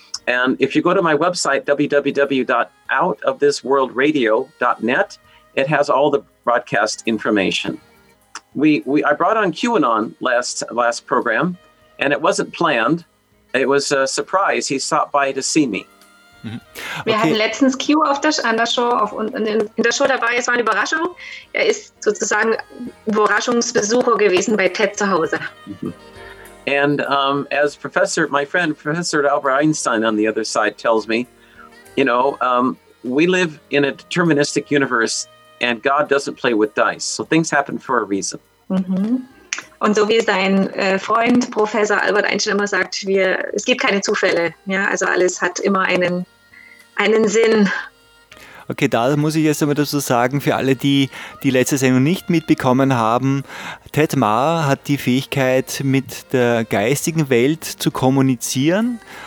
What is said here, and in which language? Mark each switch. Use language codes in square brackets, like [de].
[en] And if you go to my website, www.outofthisworldradio.net, it has all the broadcast information. I brought on QAnon last program, and it wasn't planned. It was a surprise. He stopped by to see me. Okay. [de] Wir hatten letztens Q in der Show dabei. Es war eine Überraschung. Er ist sozusagen Überraschungsbesucher gewesen bei Ted zu Hause. [en] And as my friend Professor Albert Einstein on the other side tells me, you know, we live in a deterministic universe. And God doesn't play with dice. So things happen for a reason. Mm-hmm. [de] Und so wie sein Freund, Professor Albert Einstein immer sagt, es gibt keine Zufälle. Ja? Also alles hat immer einen Sinn. Okay, da muss ich jetzt einmal dazu sagen, für alle, die die letzte Sendung nicht mitbekommen haben, Ted Ma hat die Fähigkeit, mit der geistigen Welt zu kommunizieren.